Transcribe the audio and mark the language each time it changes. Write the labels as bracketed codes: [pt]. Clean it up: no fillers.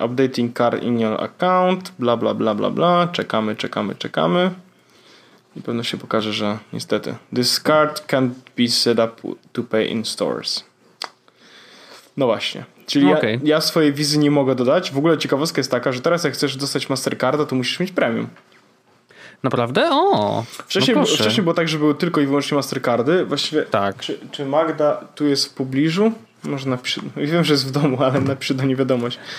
[en] Updating card in your account, bla, bla, bla, bla, bla. [pl] Czekamy, czekamy, czekamy. I pewno się pokaże, że niestety. [en] This card can't be set up to pay in stores. [pl] No właśnie. Czyli okay. Ja swojej wizy nie mogę dodać. W ogóle ciekawostka jest taka, że teraz jak chcesz dostać Mastercarda, to musisz mieć premium. Naprawdę? O! Wcześniej było tak, że były tylko i wyłącznie Mastercardy. Właściwie. Tak. Czy Magda tu jest w pobliżu? Może wiem, że jest w domu, ale napiszę do niej wiadomość.